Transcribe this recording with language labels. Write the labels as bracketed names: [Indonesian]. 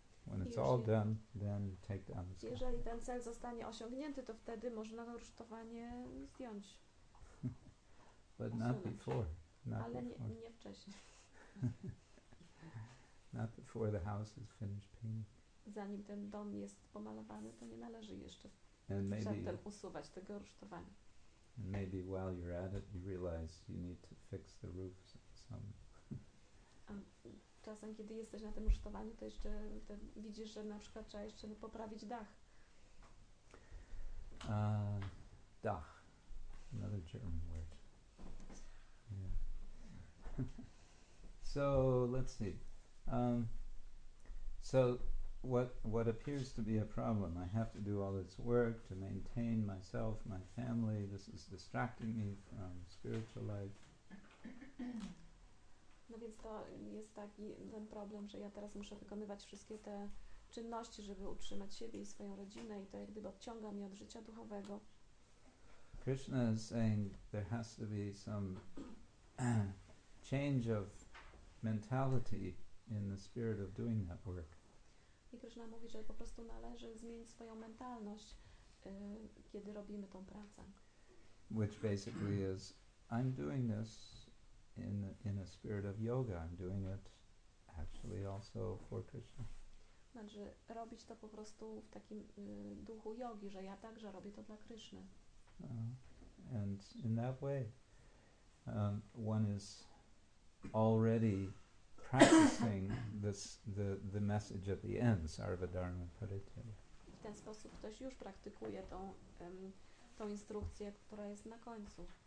[English] When it's all done, then you take down the sky. [Polish] Jeżeli ten cel zostanie osiągnięty, to wtedy można to rusztowanie zdjąć. [English] But not before. Not [Polish] ale [English] before. [Polish] Nie wcześniej. [English] Not before the house is finished painting. [Polish] Zanim ten dom jest pomalowany, to nie należy jeszcze przedtem usuwać tego rusztowania. [English] And maybe while you're at it, you realize you need to fix the roof some. [Polish] Czasem, kiedy jesteś na tym rusztowaniu, to jeszcze widzisz, że na przykład trzeba jeszcze poprawić dach. [English] Dach. Another German word. Yeah. So, let's see. So, what appears to be a problem, I have to do all this work to maintain myself, my family, this is distracting me from spiritual life. [Polish] No więc to jest taki ten problem, że ja teraz muszę wykonywać wszystkie te czynności, żeby utrzymać siebie i swoją rodzinę i to jak gdyby odciąga mnie od życia duchowego. [English] Krishna is saying there has to be some change of mentality in the spirit of doing that work. [Polish] I Krishna mówi, że po prostu należy zmienić swoją mentalność, kiedy robimy tą pracę. [English] Which basically is, I'm doing this in a spirit of yoga. I'm doing it actually also for Krishna. [Polish] Znaczy robić to po prostu w takim duchu jogi, że ja także robię to dla Krishny. [English] And in that way, one is already practicing the message at the end, Sarvadharma Paritya. [Polish] W ten sposób ktoś już praktykuje tą tą instrukcję, która jest na końcu.